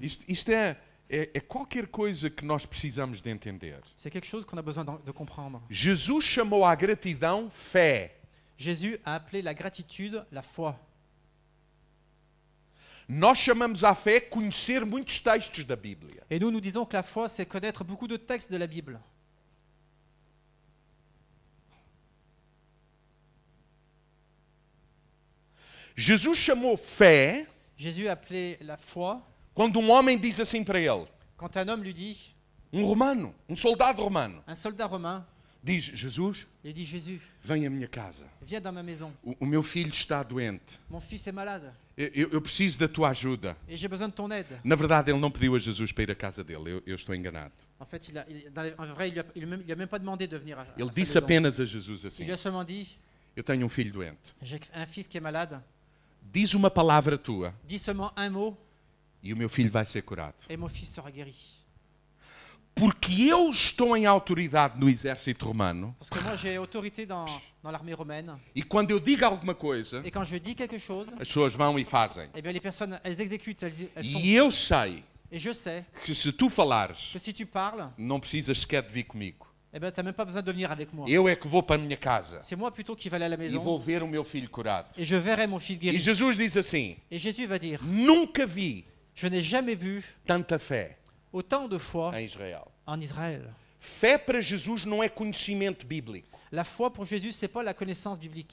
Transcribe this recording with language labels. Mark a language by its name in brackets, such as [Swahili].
[Portuguese] Isto é qualquer coisa que nós precisamos de entender. [French] C'est quelque chose qu'on a besoin de comprendre. [Portuguese] Jesus chamou à gratidão fé. [French] Jésus a appelé la gratitude la foi. [Portuguese] Nós chamamos à fé conhecer muitos textos da Bíblia. [French] Et nous disons que la foi c'est connaître beaucoup de textes de la Bible. [Portuguese] Jesus chamou fé. [French] Jésus a appelé la foi. [Portuguese] Quando homem diz assim para ele. [French] Quand un homme lui dit. [Portuguese] Um soldado romano. [French] Un soldat romain. [Portuguese] Diz Jesus. [French] Il dit Jésus. [Portuguese] Vem à minha casa. [French] Viens dans ma maison. [Portuguese] O meu filho está doente. [French] Mon fils est malade. [Portuguese] Eu preciso da tua ajuda. [French] Et j'ai besoin de ton aide. [Portuguese] Na verdade, ele não pediu a Jesus para ir à casa dele. Eu estou enganado. [French] En fait, il a même pas demandé de venir à. [Portuguese] Ele disse apenas a Jesus assim. [French] Il lui a seulement dit. [Portuguese] Eu tenho um filho doente. [French] J'ai un fils qui est malade. [Portuguese] Diz uma palavra tua. [French] Dis seulement un mot. [Portuguese] E o meu filho vai ser curado. [French] Et mon fils sera guéri. [Portuguese] Porque eu estou em autoridade no exército romano. [French] Parce que moi j'ai autorité dans l'armée romaine. [Portuguese] E quando eu digo alguma coisa, [French] et quand je dis quelque chose, [Portuguese] as pessoas vão e fazem. [French] Et bien les personnes elles exécutent, elles font. [Portuguese] E eu sei. [French] Et je sais. [Portuguese] Que se tu falares, [French] que si tu parles, [Portuguese] não precisas sequer de vir comigo. [French] Et bien tu n'as même pas besoin de venir avec moi. [Portuguese] Eu é que vou para a minha casa. [French] C'est moi plutôt qui vais aller à la maison. [Portuguese] E vou ver o meu filho curado. [French] Et je verrai mon fils guéri. [Portuguese] E Jesus diz assim. [French] Et Jésus va dire. [Portuguese] Nunca vi. [French] Je n'ai jamais vu. [Portuguese] Tanta fé. [French] Autant de foi [Portuguese] em Israel. [French] En Israël. [Portuguese] Fé para Jesus não é conhecimento bíblico. [French] La foi pour Jésus c'est pas la connaissance biblique.